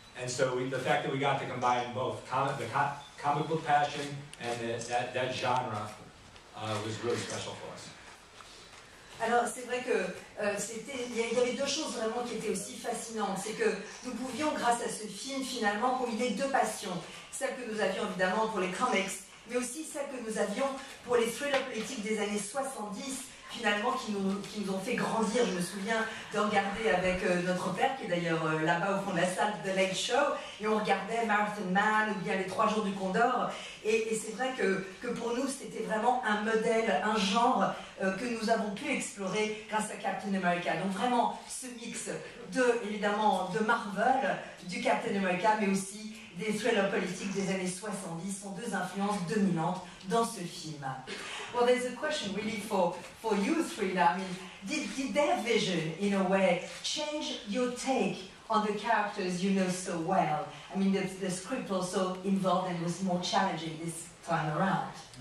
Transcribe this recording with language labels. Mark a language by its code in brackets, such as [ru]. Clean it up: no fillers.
[en] And so the fact that we got to combine both comic book passion and that genre was really special for us. [fr] Alors, c'est vrai que il y avait deux choses vraiment qui étaient aussi fascinantes. C'est que nous pouvions, grâce à ce film, finalement, combiner deux passions. Celle que nous avions, évidemment, pour les comics, mais aussi celle que nous avions pour les thrillers politiques des années 70, finalement, qui nous ont fait grandir. Je me souviens de regarder avec notre père, qui est d'ailleurs là-bas au fond de la salle, The Late Show, et on regardait Marathon Man ou bien Les Trois Jours du Condor. Et c'est vrai que pour nous, c'était vraiment un modèle, un genre que nous avons pu explorer grâce à Captain America. Donc vraiment, ce mix de Marvel, du Captain America, mais aussi des thrillers politiques des années 70 sont deux influences dominantes dans ce film. [en] Well, there's a question really for you three now. I mean, did their vision, in a way, change your take on the characters you know so well? I mean, the script also involved and was more challenging this time around.